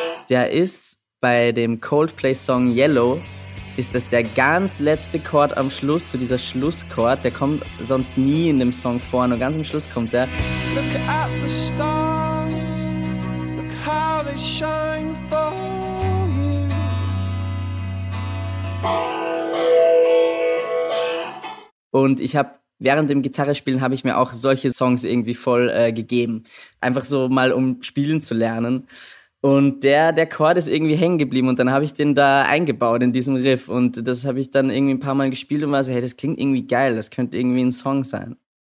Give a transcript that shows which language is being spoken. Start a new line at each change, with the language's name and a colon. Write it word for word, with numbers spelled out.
German: Der ist bei dem Coldplay-Song Yellow, ist das der ganz letzte Chord am Schluss, so dieser Schlusschord. Der kommt sonst nie in dem Song vor, nur ganz am Schluss kommt der.
English: Look at the stars, look how they shine for you.
German: Und ich habe Während dem Gitarrespielen habe ich mir auch solche Songs irgendwie voll äh, gegeben. Einfach so mal, um spielen zu lernen. Und der, der Chord ist irgendwie hängen geblieben und dann habe ich den da eingebaut in diesem Riff. Und das habe ich dann irgendwie ein paar Mal gespielt und war so, hey, das klingt irgendwie geil, das könnte irgendwie ein Song sein.